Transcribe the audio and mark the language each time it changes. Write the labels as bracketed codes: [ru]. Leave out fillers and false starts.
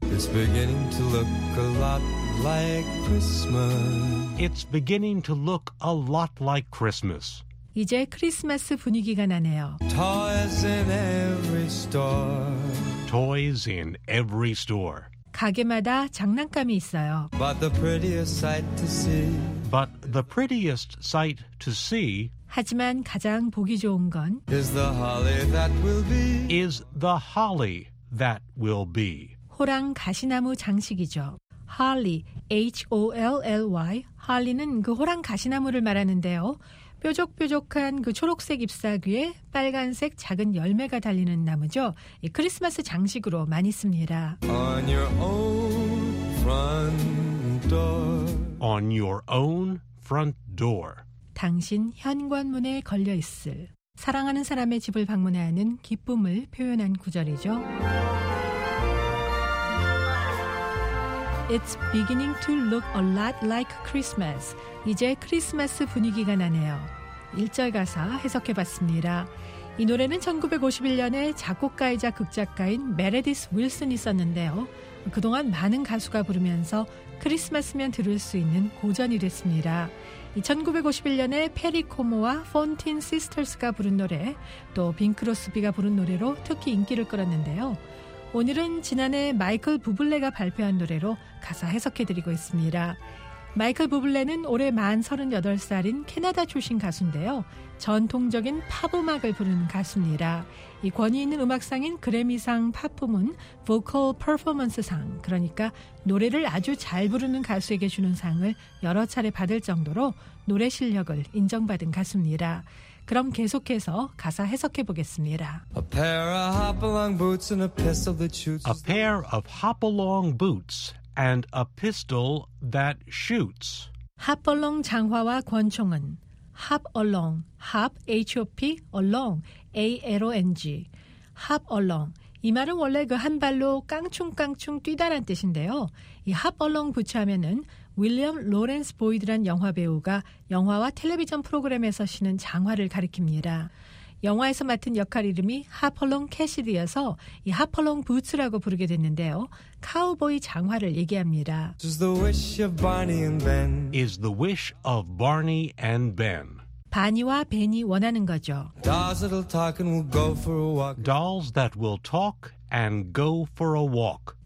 [en] It's beginning to look a lot like Christmas. It's beginning to look a lot like Christmas. [ko] 이제 크리스마스 분위기가 나네요. [en] Toys in every store. Toys in every store. [ko] 가게마다 장난감이 있어요. [en] But the prettiest sight to see. But the prettiest sight to see [ko] 하지만 가장 보기 좋은 건 [en] is the holly that will be is the holly that will be [ko] 호랑 가시나무 장식이죠. Holly, H-O-L-L-Y, holly는 그 호랑 가시나무를 말하는데요. 뾰족뾰족한 그 초록색 잎사귀에 빨간색 작은 열매가 달리는 나무죠. 이 크리스마스 장식으로 많이 씁니다. [en] On your own front door On your own front door. [ko] 당신 현관문에 걸려 있을 사랑하는 사람의 집을 방문하는 기쁨을 표현한 구절이죠. [en] It's beginning to look a lot like Christmas. [ko] 이제 크리스마스 분위기가 나네요. 1절 가사 해석해 봤습니다. 이 노래는 1951년에 작곡가이자 극작가인 메레디스 윌슨이 썼는데요. 그동안 많은 가수가 부르면서 크리스마스면 들을 수 있는 고전이 됐습니다. 1951년에 페리 코모와 폰틴 시스터스가 부른 노래, 또 빈 크로스비가 부른 노래로 특히 인기를 끌었는데요. 오늘은 지난해 마이클 부블레가 발표한 노래로 가사 해석해드리고 있습니다. 마이클 부블레는 올해 만 38살인 캐나다 출신 가수인데요. 전통적인 팝음악을 부르는 가수입니다. 이 권위 있는 음악상인 그래미상 팝 부문 보컬 퍼포먼스상, 그러니까 노래를 아주 잘 부르는 가수에게 주는 상을 여러 차례 받을 정도로 노래 실력을 인정받은 가수입니다. 그럼 계속해서 가사 해석해 보겠습니다. [en] A pair of hop-along boots and a pistol that shoots. A pair of hop-along boots and a pistol that shoots. [ko] Hop-along 장화와 권총은 hop-along, hop, H-O-P, along, A-L-O-N-G. Hop-along, 이 말은 원래 그 한 발로 깡충깡충 뛰다란 뜻인데요. 이 hop-along 부츠 하면은 윌리엄 로렌스 보이드란 영화 배우가 영화와 텔레비전 프로그램에서 신은 장화를 가리킵니다. 영화에서 맡은 역할 이름이 하퍼롱 캐시디여서 이 하퍼롱 부츠라고 부르게 됐는데요. 카우보이 장화를 얘기합니다. [en] Is the wish of Barney and Ben. Is the wish of Barney and Ben. [ko] 바니와 벤이 원하는 거죠. [en] Dolls that will talk and will go for a walk. Dolls that will talk and go for a walk.